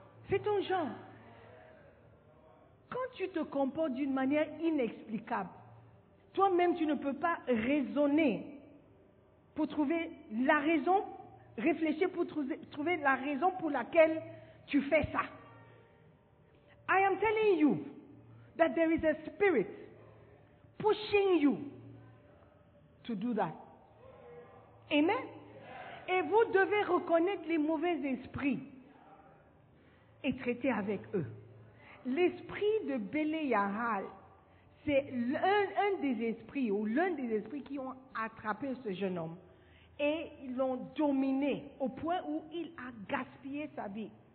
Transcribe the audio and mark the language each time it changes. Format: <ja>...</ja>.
<fr>C'est ton genre. Quand tu te comportes d'une manière inexplicable, toi-même tu ne peux pas raisonner pour trouver la raison, réfléchir pour trouver la raison pour laquelle tu fais ça.</fr> <en>I am telling you that there is a spirit pushing you to do that. Amen?</en> <fr>Et vous devez reconnaître les mauvais esprits et traiter avec eux. L'esprit de Béléahal, c'est un des esprits ou l'un des esprits qui ont attrapé ce jeune homme et ils l'ont dominé au point où il a gaspillé sa vie.</fr>